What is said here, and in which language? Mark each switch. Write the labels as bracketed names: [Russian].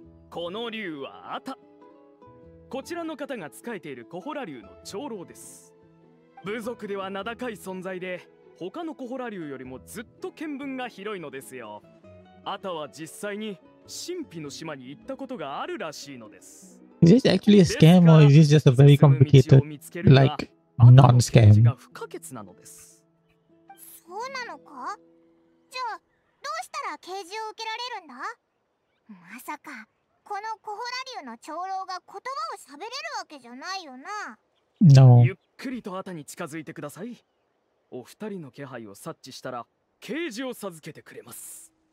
[Japanese] この竜はアタ。こちらの方が仕えているコホラ竜の長老です。部族では名高い存在で、他のコホラ竜よりもずっと見聞が広いのですよ。アタは実際に神秘の島に行ったことがあるらしいのです。 [English] Is this actually a scam or is this just a very complicated, like, non-scam? [Japanese] そうなのか？じゃあ、どうしたら啓示を受けられるんだ？まさか、このコホラ竜の長老が言葉を喋れるわけじゃないよな。 [English] No. [Japanese] ゆっくりとアタに近づいてください。お二人の気配を察知したら、啓示を授けてくれます。